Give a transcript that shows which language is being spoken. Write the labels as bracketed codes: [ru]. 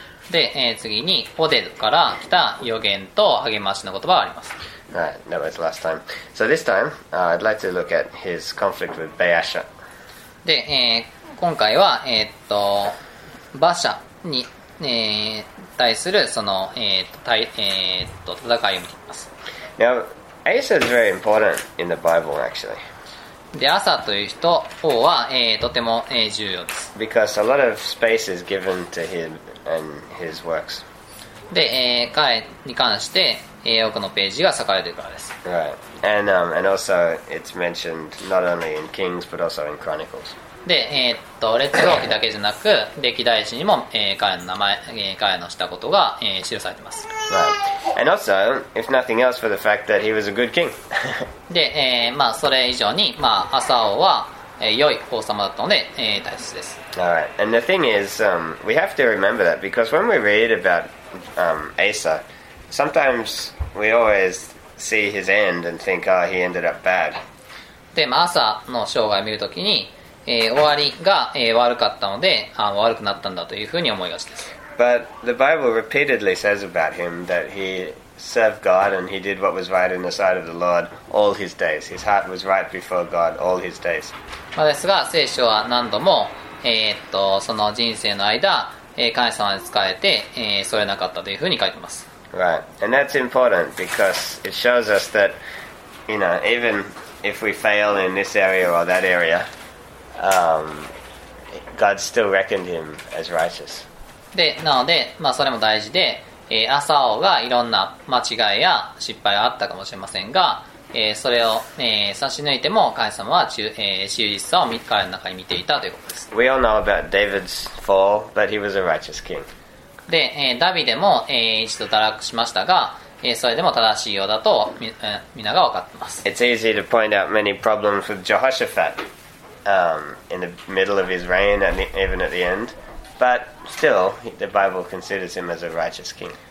[ja] で、次にオデドから来た予言と励ましの言葉があります。 [en] Right, that was last time. So this time, I'd like to look at his conflict with Baasha. [ja] で、今回は、バシャに、対するその、戦いを見ています。 [en] Now, Asa is very important in the Bible, actually. [ja] で、アサという人、王は、とても、重要です。 [en] Because a lot of space is given to him and his works. [ja] で、彼に関して、多くのページが割かれているからです。 [en] Right. And also, it's mentioned not only in Kings, but also in Chronicles. [ja] で、列王記だけじゃなく歴代史にも、彼の名前、彼のしたことが、記されています。 [en] Right. And also, if nothing else, for the fact that he was a good king. [ja] で、まあ、それ以上に、まあ、アサ王は、良い王様だったので、大切です。 [en] Alright. And the thing is, we have to remember that, because when we read about Asa, sometimes we always see his end and think, oh, he ended up bad. [ja] で、まあ、アサの生涯を見るときに終わりが悪かったので悪くなったんだというふうに思いがちです。 [en] But the Bible repeatedly says about him that he served God and he did what was right in the sight of the Lord all his days. His heart was right before God all his days. [ja] ですが、聖書は何度も、その人生の間、神様に仕えて、添えなかったというふうに書いてます。 [en] Right. And that's important because it shows us that, you know, even if we fail in this area or that area,God still reckoned him as righteous. [ja] で、なので、まあ、それも大事で、アサ王がいろんな間違いや失敗があったかもしれませんが、それを、差し抜いても神様は忠実さを彼の中に見ていたということです。 [en] We all know about David's fall, but he was a righteous king. [ja] で、ダビデも、一度堕落しましたが、それでも正しいようだと皆が分かっています。 [en] It's easy to point out many problems with Jehoshaphatin the middle of his reign and even at the end, but still the Bible considers him as a righteous king.